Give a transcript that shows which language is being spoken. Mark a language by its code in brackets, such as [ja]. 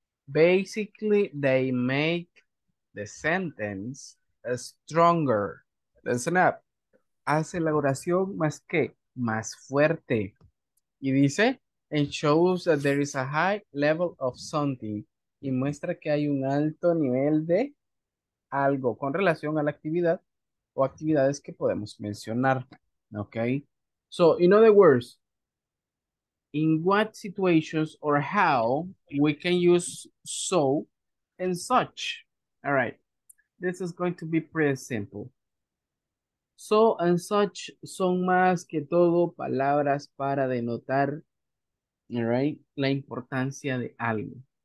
[en] Basically, they make the sentence stronger. Listen up. [es] Hace la oración más que más fuerte. Y dice, [en] and shows that there is a high level of something. [es] Y muestra que hay un alto nivel de algo con relación a la actividad o actividades que podemos mencionar. [en] Okay. So, in other words, in what situations or how we can use so and such. All right. This is going to be pretty simple. So and such [es] son más que todo palabras para denotar, right, la importancia de algo.